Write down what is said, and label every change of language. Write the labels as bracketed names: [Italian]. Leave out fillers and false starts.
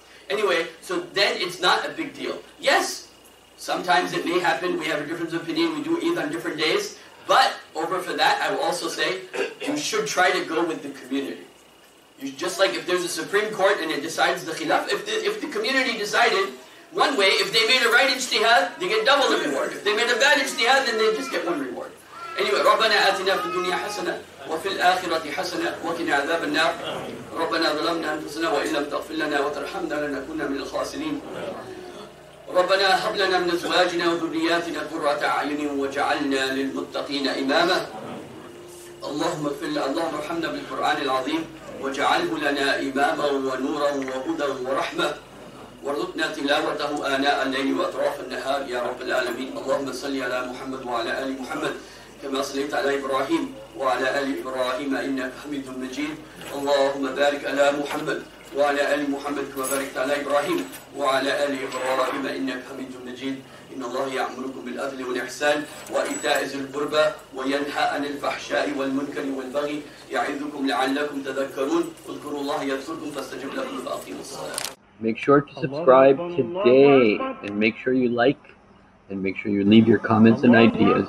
[English] Anyway, so then it's not a big deal. Yes, sometimes it may happen, we have a difference of opinion, we do Eid on different days. But over for that, I will also say, should try to go with the community. You, just like if there's a Supreme Court and it decides the khilaf, if the community decided one way, if they made a right ijtihad, they get double the reward. If they made a bad ijtihad, then they just get one reward. Anyway, [Arabic] رَبَّنَا آتِنَا فِي الدُّنْيَا حَسَنَةً وَفِي الْآخِرَةِ حَسَنَةً وَقِنَا عَذَابَ النَّارِ رَبَّنَا ظَلَمْنَا أَنفُسَنَا وَإِن لَّمْ تَغْفِرْ لَنَا وَتَرْحَمْنَا لَنَكُونَنَّ مِنَ الْخَاسِرِينَ رَبَّنَا هَبْ لَنَا مِنْ أَزْوَاجِنَا وَذُرِّيَّاتِنَا قُرَّةَ أَعْيُنٍ وَاجْعَلْنَا لِلْمُتَّقِينَ إِمَامًا اللَّهُمَّ اغْفِرْ لَنَا اللَّهُمَّ ارْحَمْنَا بِالْقُرْآنِ الْعَظِيمِ وَاجْعَلْهُ لَنَا إِمَامًا وَنُورًا وَهُدًى وَرَحْمَةً وارزقنا تلاوته آناء الليل وأطراف النهار يا رب العالمين اللهم صل على محمد وعلى آل محمد كما صليت على إبراهيم وعلى آل إبراهيم إنك حميد مجيد اللهم بارك على محمد وعلى آل محمد كما باركت على إبراهيم وعلى آل إبراهيم إنك حميد مجيد إن الله يأمركم بالعدل والإحسان وإيتاء ذي القربى وينهى عن الفحشاء والمنكر والبغي يعظكم لعلكم تذكرون اذكروا الله يذكركم فاستجب لكم فأقيموا الصلاة. [English] Make sure to subscribe today and make sure you like and make sure you leave your comments and ideas.